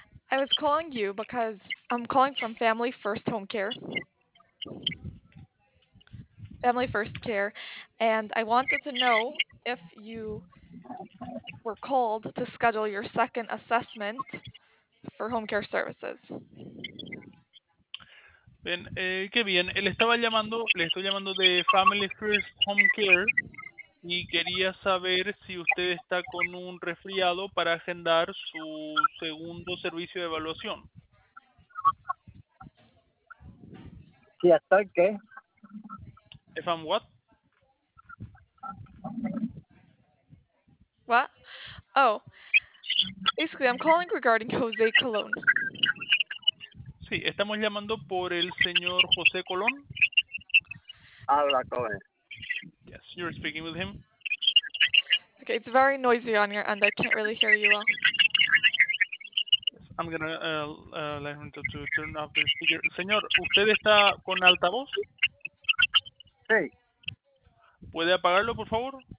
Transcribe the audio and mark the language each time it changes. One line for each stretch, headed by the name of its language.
English: I was calling you because I'm calling from Family First Home Care. Family First Care. And I wanted to know if you were called to schedule your second assessment for home care services.
Spanish: Bien, qué bien. Le estaba llamando, le estoy llamando de Family First Home Care y quería saber si usted está con un resfriado para agendar su segundo servicio de evaluación. Sí, ¿estoy qué?
English: If I'm what? What? Oh. Basically, I'm calling regarding Jose Colon.
Spanish: Sí, estamos llamando por el señor José Colón. Habla con él.
English: Yes, you're speaking with him. Okay, it's very noisy on your end. I can't really hear you well. I'm gonna let him to turn off the speaker.
Spanish: Señor, ¿usted está con altavoz? Sí. ¿Puede apagarlo, por favor?